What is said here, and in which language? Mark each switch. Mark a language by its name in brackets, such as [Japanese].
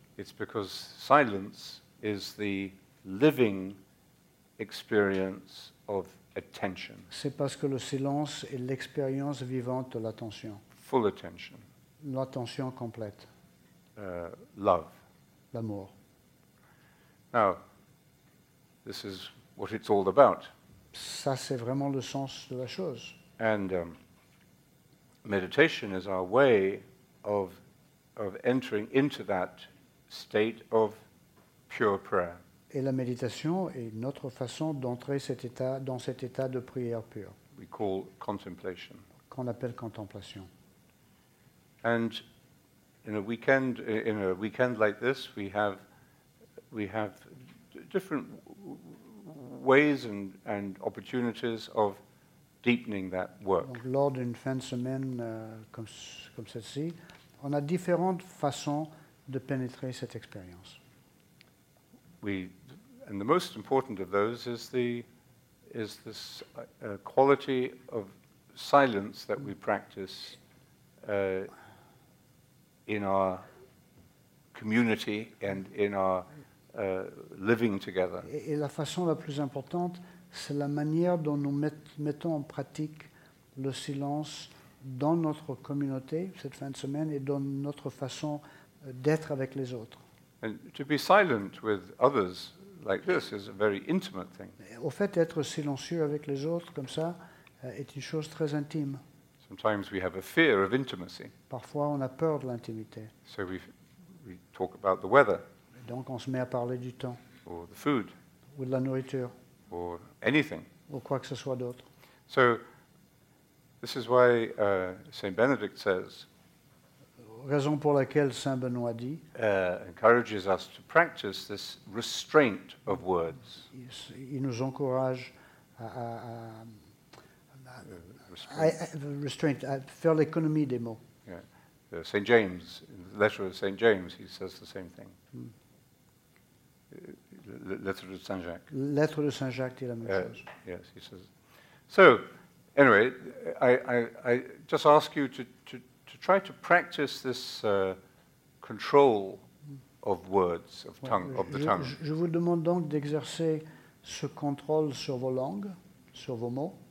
[English] it's because silence is the living experience of attention. [French] C'est parce que le silence est l'expérience vivante de l'attention. [English] Full attention. [French] L'attention complète. [English] Love. [French] L'amour. [English] Now, this is what it's all about. [French] Ça, c'est vraiment le sens de la chose. [English] And meditation is our way of entering into that state of pure prayer. [French] Et la méditation est notre façon d'entrer cet état, dans cet état de prière pure. [English] We call contemplation. [French] Qu'on appelle contemplation. [English] And in a weekend like this, we have different ways and opportunities of deepening that work. [French] Donc, lors d'une fin de semaine comme celle-ci, on a différentes façons de pénétrer cette expérience. [English] And the most important of those is this quality of silence that we practice in our community and in our living together. [French] Et la façon la plus importante, c'est la manière dont nous mettons en pratique le silence dans notre communauté cette fin de semaine et dans notre façon d'être avec les autres. [English] And to be silent with others like this is a very intimate thing. [French] Au fait, être silencieux avec les autres comme ça est une chose très intime. [English] Sometimes we have a fear of intimacy. [French] Parfois, on a peur de l'intimité. [English] So we talk about the weather. [French] Et donc, on se met à parler du temps. [English] Or the food. [French] Ou de la nourriture. [English] Or anything. [French] Ou quoi que ce soit d'autre. [English] So this is why Saint Benedict says. [French] Raison pour laquelle Saint Benoît dit [English] encourages us to practice this restraint of words. [French] Il nous encourage à faire l'économie des mots. [English] Yeah. Saint James, in the letter of Saint James, he says the same thing. [French] Letter de Saint Jacques. Lettre de Saint Jacques dit la même chose. [English] Yes, he says. So, anyway, I just ask you to try to practice this control of words, of tongue, of the tongue. [French] Je vous demande donc d'exercer ce contrôle sur vos langues, sur vos mots.